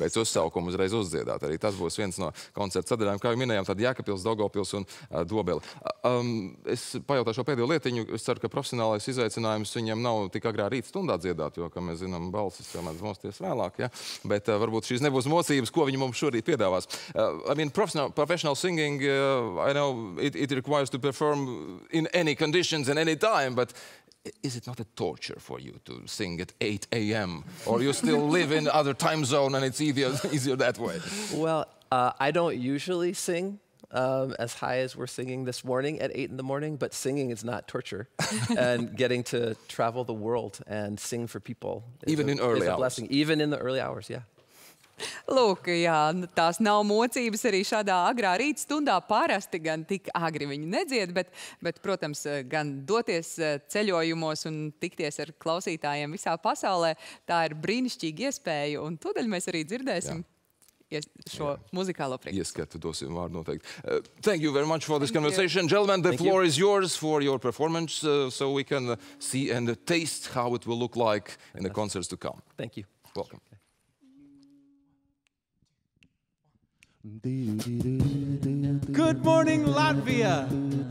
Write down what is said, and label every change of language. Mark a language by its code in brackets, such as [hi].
[lv] Pēc uzsaukuma uzreiz uzdziedāt arī. Tas būs viens no koncertu sadaļām, kā jau minējām, tad Jēkabpils, Daugavpils un Dobeli. Es pajautāšu pēdējo lietiņu, es ceru, ka profesionālais izaicinājums viņiem nav tik agrā rīta stundā dziedāt, jo, kā mēs zinām, balsis tomēr mosties vēlāk, ja? Bet varbūt šīs nebūs mocības, ko viņi mums šorīt piedāvās. [en] I mean, professional singing, I know it requires to perform in any conditions and any time, but is it not a torture for you to sing at 8 a.m.? Or you still live in other time zone and it's easier that way? Well, I don't usually sing as high as we're singing this morning at 8 in the morning, but singing is not torture. And getting to travel the world and sing for people is a blessing. Even in the early hours, yeah. [lv] Lūk, jā, tās nav mocības arī šādā agrā rīta stundā. Parasti gan tik agri viņi nedzied, bet, protams, gan doties ceļojumos un tikties ar klausītājiem visā pasaulē, tā ir brīnišķīga iespēja, un tūdaļ mēs arī dzirdēsim. Jā. [en] Yes, show musical operators. Yes, get to those. Thank you very much for this conversation, gentlemen. The floor is yours for your performance, so we can see and taste how it will look like in the concerts to come. Thank you. Welcome. Good morning, Latvia!